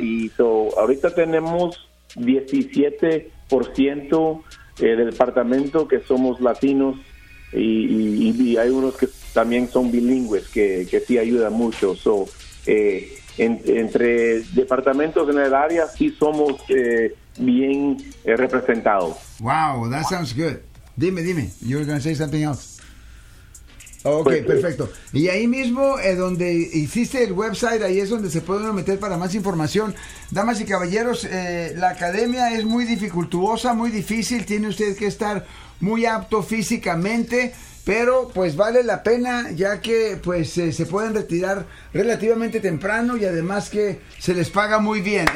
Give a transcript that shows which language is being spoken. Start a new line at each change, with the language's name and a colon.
Spanish: Y ahorita tenemos 17% del departamento que somos latinos y hay unos que también son bilingües que sí ayudan mucho. Entre departamentos en el área sí somos bien representados.
English: Wow, that sounds good.
Spanish: Dime,
English: you were going to say something else.
Spanish: Ok, pues, perfecto. Y ahí mismo, donde hiciste el website, ahí es donde se puede uno meter para más información. Damas y caballeros, la academia es muy dificultuosa, muy difícil, tiene usted que estar muy apto físicamente, pero pues vale la pena, ya que pues se pueden retirar relativamente temprano y además que se les paga muy bien.